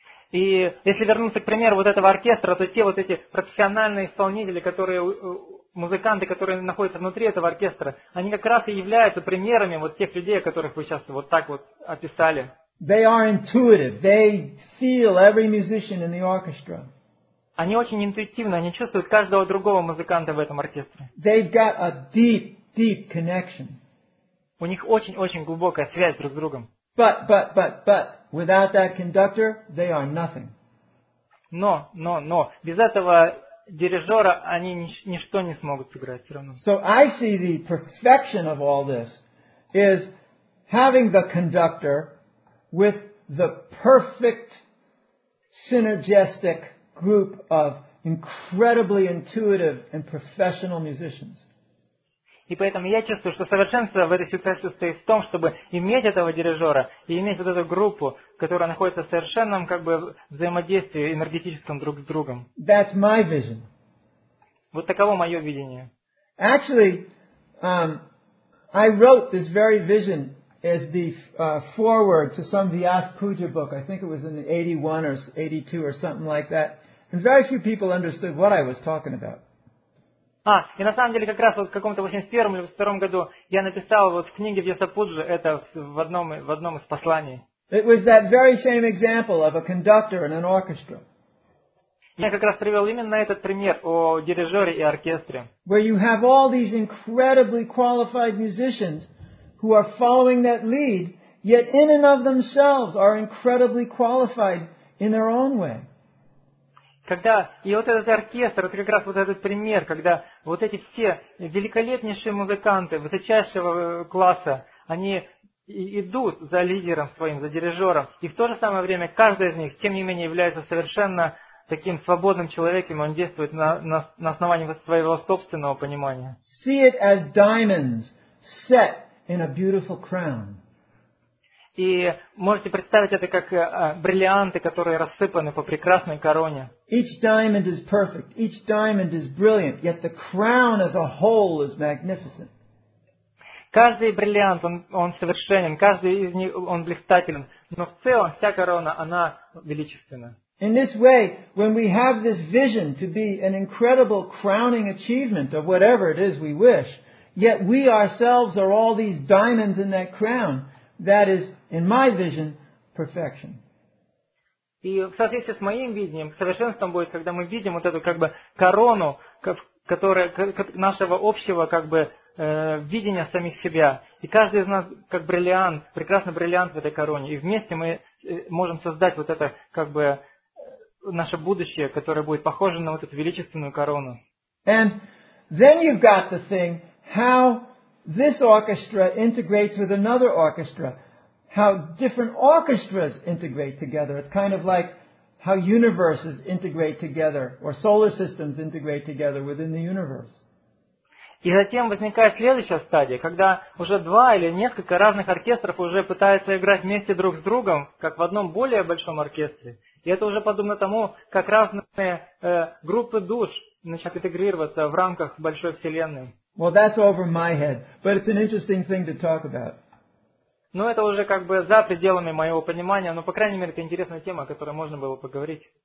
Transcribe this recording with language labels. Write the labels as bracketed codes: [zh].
[ru] И если вернуться к примеру вот этого оркестра, то те вот эти профессиональные исполнители, которые музыканты, которые находятся внутри этого оркестра, они как раз и являются примерами вот тех людей, которых вы сейчас вот так вот описали. [en] They are intuitive. They feel every musician in the orchestra. [ru] Они очень интуитивны, они чувствуют каждого другого музыканта в этом оркестре. [en] They've got a deep, deep connection. [ru] У них очень-очень глубокая связь друг с другом. [en] But without that conductor, they are nothing. [ru] Но без этого дирижера они ничто не смогут сыграть все равно. [en] So I see the perfection of all this is having the conductor with the perfect synergistic group of incredibly intuitive and professional musicians. [ru] И поэтому я чувствую, что совершенство в этой ситуации состоит в том, чтобы иметь этого дирижера и иметь вот эту группу, которая находится в совершенном как бы взаимодействии энергетическом друг с другом. [en] That's my vision. [ru] Вот таково мое видение. [en] Actually, I wrote this very vision as the foreword to some Vyas Puja book. I think it was in 81 or 82 or something like that. And very few people understood what I was talking about. [ru] А, и на самом деле как раз вот в каком-то 81-м или 82-м году я написал вот в книге Вьясапуджи это в одном из посланий. [en] It was that very same example of a conductor and an orchestra. [ru] Я как раз привел именно этот пример о дирижере и оркестре. [en] Where you have all these incredibly qualified musicians who are following that lead, yet in and of themselves are incredibly qualified in their own way. [ru] Когда и вот этот оркестр, это как раз вот этот пример, когда вот эти все великолепнейшие музыканты высочайшего класса, они идут за лидером своим, за дирижером, и в то же самое время каждый из них, тем не менее, является совершенно таким свободным человеком, он действует на основании своего собственного понимания. [en] See it as diamonds set in a beautiful crown. [ru] И можете представить это как бриллианты, которые рассыпаны по прекрасной короне. [en] Each diamond is perfect. Each diamond is brilliant. Yet the crown as a whole is magnificent. [ru] Каждый бриллиант, он совершенен. Каждый из них, он блистателен. Но в целом, вся корона, она величественна. [en] In this way, when we have this vision to be an incredible crowning achievement of whatever it is we wish, yet we ourselves are all these diamonds in that crown, that is, in my vision, perfection. [ru] И в соответствии с моим видением, совершенством будет, когда мы видим вот эту как бы корону, которая нашего общего как бы видения самих себя. И каждый из нас как бриллиант, прекрасный бриллиант в этой короне. И вместе мы можем создать вот это как бы наше будущее, которое будет похоже на вот эту величественную корону. [en] And then you've got the thing, how this orchestra integrates with another orchestra. How different orchestras integrate together. It's kind of like how universes integrate together or solar systems integrate together within the universe. [ru] И затем возникает следующая стадия, когда уже два или несколько разных оркестров уже пытаются играть вместе друг с другом, как в одном более большом оркестре. И это уже подобно тому, как разные группы душ начинают интегрироваться в рамках большой вселенной. [en] Well, that's over my head, but it's an interesting thing to talk about. [ru] Но это уже как бы за пределами моего понимания, но, по крайней мере, это интересная тема, о которой можно было поговорить.